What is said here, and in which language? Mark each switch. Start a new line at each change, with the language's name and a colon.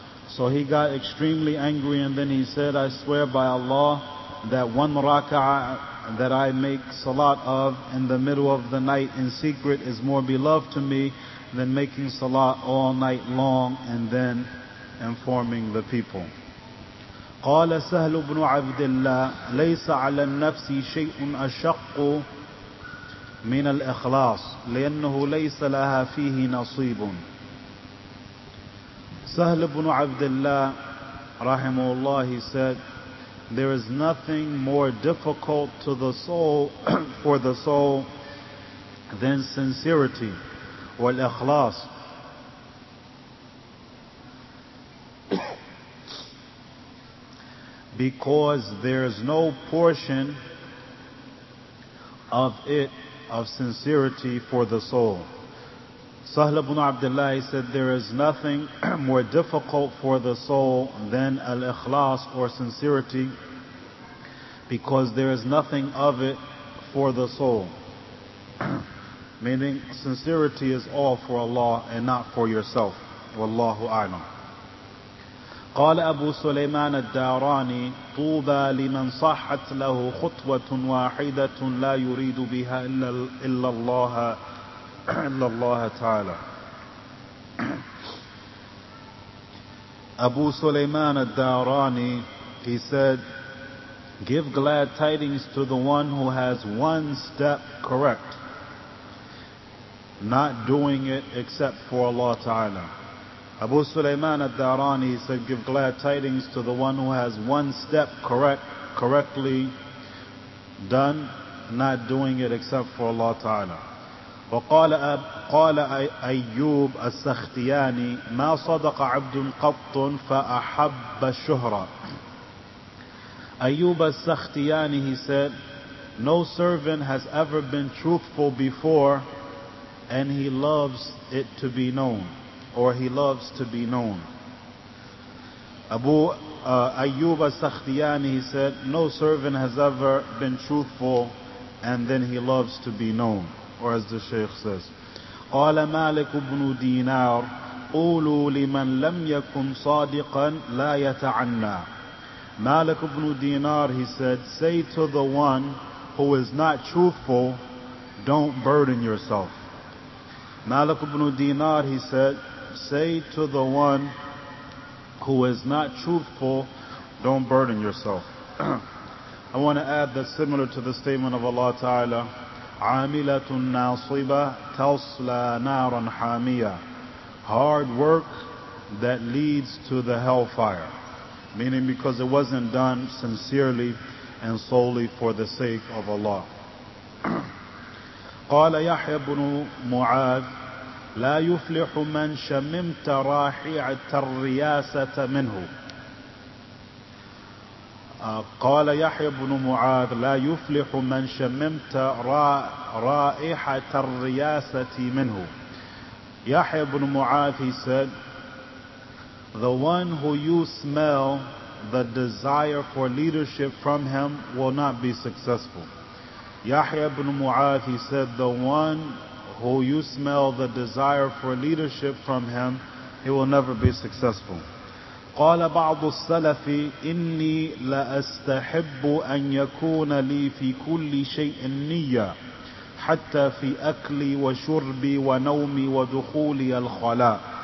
English: So he got extremely angry and then he said, I swear by Allah that one raka'ah that I make salat of in the middle of the night in secret is more beloved to me than making salat all night long and then informing the people.
Arabic: قال سهل بن عبد الله ليس على النفس شيء أشق من الإخلاص لأنه ليس لها فيه نصيب.
English: سهل بن عبد الله
Arabic: رحمه الله,
English: he said, there is nothing more difficult to the soul for the soul than sincerity والإخلاص. Because there is no portion of it, of sincerity for the soul. Sahl ibn Abdullah said, there is nothing more difficult for the soul than al-ikhlas or sincerity, because there is nothing of it for the soul. Meaning, sincerity is all for Allah and not for yourself.
Arabic: Wallahu a'lam. قال أبو سليمان الداراني طوبى لمن صحت له خطوة واحدة لا يريد بها إلا الله تعالى.
English: أبو سليمان الداراني, he said, give glad tidings to the one who has one step correct, not doing it except for Allah Ta'ala. Abu Sulaiman al-Darani said, give glad tidings to the one who has one step correctly done, not doing it except for Allah Ta'ala.
Arabic: وقال أيوب السختياني ما صدق عبد قط فأحب الشهرة.
English: Ayyub al-Sakhtiyani, he said, no servant has ever been truthful before and he loves it to be known. Or he loves to be known. Ayyub al-Sakhtiyani, he said, no servant has ever been truthful and then he loves to be known. Or as the Shaykh says,
Arabic: قال مالك بن دينار قولوا لمن لم يكن صادقا لا يتعنى.
English: Malik ibn Dinar, he said, say to the one who is not truthful, don't burden yourself. Malik ibn Dinar, he said, say to the one who is not truthful, Don't burden yourself. I want to add that similar to the statement of Allah Ta'ala,
Arabic: عَامِلَةٌ نَاصِبَةٌ تَصْلَى نَارًا حَامِيَةٌ.
English: Hard work that leads to the hellfire. Meaning because it wasn't done sincerely and solely for the sake of Allah.
Arabic: قَالَ يَحْيَى بْنُ مُعَاذٍ لَا يُفْلِحُ مَنْ شَمِمْتَ رَاحِعَةَ الرِّيَاسَةَ مِنْهُ. قال يحيى بن معاذ لا يفلح من شممت رائحة الرياسة منه.
English: يحيى بن معاذ, he said, the one who you smell the desire for leadership from him will not be successful. يحيى بن معاذ, he said, the one who you smell the desire for leadership from him, he will never be successful.
Arabic: قال بعض السلف إني لأستحب أن يكون لي في كل شيء نية حتى في أكلي وشربي ونومي ودخولي الخلاء.